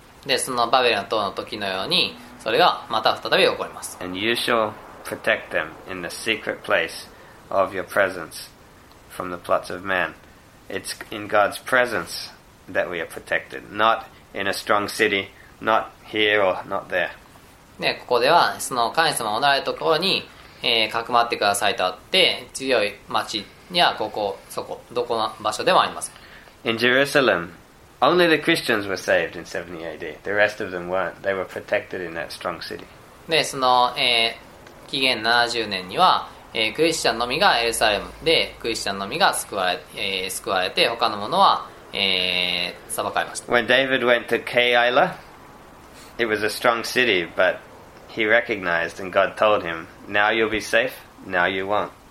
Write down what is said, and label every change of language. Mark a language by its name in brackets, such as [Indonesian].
[Japanese] で、そのバベルの塔の時のように、それがまた再び起こります。 [English] And you shall protect them in the secret place of your presence from the plots of man. It's in God's presence that we are protected, not in a strong city, not here or not there. [Japanese] ね、ここではその神様おられるところに、かくまってくださいとあって、強い町にはここそこどこの場所でもありません。 [English] In Jerusalem, only the Christians were saved in 70 A.D. The rest of them weren't. They were protected in that strong city. [Japanese] ね、その、紀元70年には、クリスチャンのみがエルサレムでクリスチャンのみが救われて他の者は、裁かれました。 [English] When David went to Keilah, it was a strong city, but he recognized and God told him, now you'll be safe, now you won't.